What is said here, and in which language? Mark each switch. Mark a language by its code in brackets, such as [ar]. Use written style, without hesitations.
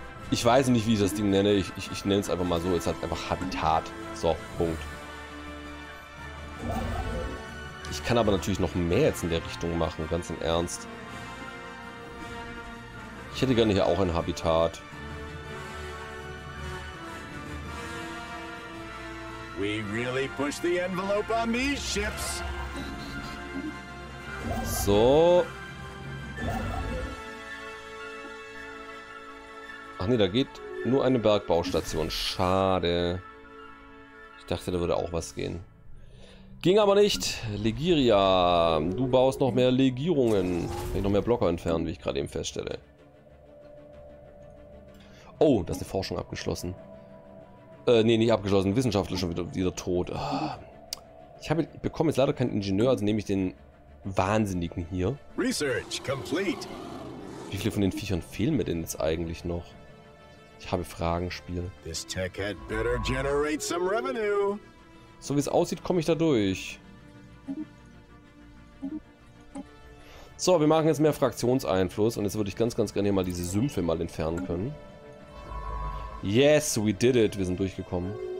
[de] Ich weiß nicht, wie ich das Ding nenne. Ich nenne es einfach mal so. Es hat einfach Habitat. So, Punkt. Ich kann aber natürlich noch mehr jetzt in der Richtung machen, ganz im Ernst. Ich hätte gerne hier auch ein Habitat. [en] We really push the envelope on these ships. [de] So. Ach nee, da geht nur eine Bergbaustation. Schade. Ich dachte, da würde auch was gehen. Ging aber nicht. Legiria, du baust noch mehr Legierungen. Kann ich noch mehr Blocker entfernen, wie ich gerade eben feststelle. Oh, da ist eine Forschung abgeschlossen. Nee, nicht abgeschlossen. Wissenschaftler schon wieder tot. Ich bekomme jetzt leider keinen Ingenieur, also nehme ich den Wahnsinnigen hier. [en] Research complete. [de] Wie viele von den Viechern fehlen mir denn jetzt eigentlich noch? Ich habe Fragen, Spiel. [en] This tech had better generate some revenue. [de] So wie es aussieht, komme ich da durch. So, wir machen jetzt mehr Fraktionseinfluss und jetzt würde ich ganz, ganz gerne hier mal diese Sümpfe mal entfernen können. [en] Yes, we did it. [de] Wir sind durchgekommen.